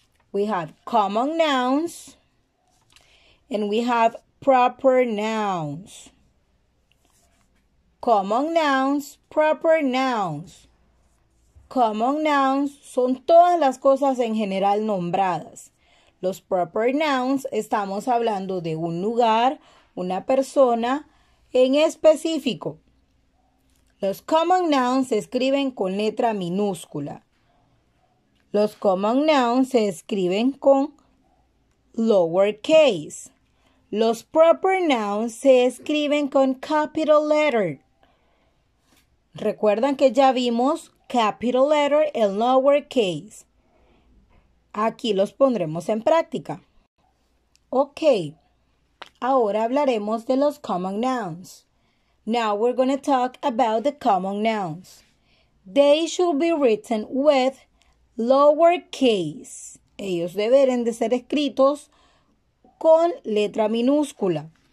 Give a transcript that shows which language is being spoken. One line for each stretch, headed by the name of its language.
English: We have common nouns and we have proper nouns. Common nouns, proper nouns.
Spanish: Common nouns son todas las cosas en general nombradas. Los proper nouns estamos hablando de un lugar, una persona en específico. Los common nouns se escriben con letra minúscula. Los common nouns se escriben con lowercase. Los proper nouns se escriben con capital letter. Recuerdan que ya vimos capital letter en lowercase. Aquí los pondremos en práctica. Ok, ahora hablaremos de los common nouns.
English: Now we're going to talk about the common nouns. They should be written with lowercase.
Spanish: Ellos deberían de ser escritos con letra minúscula.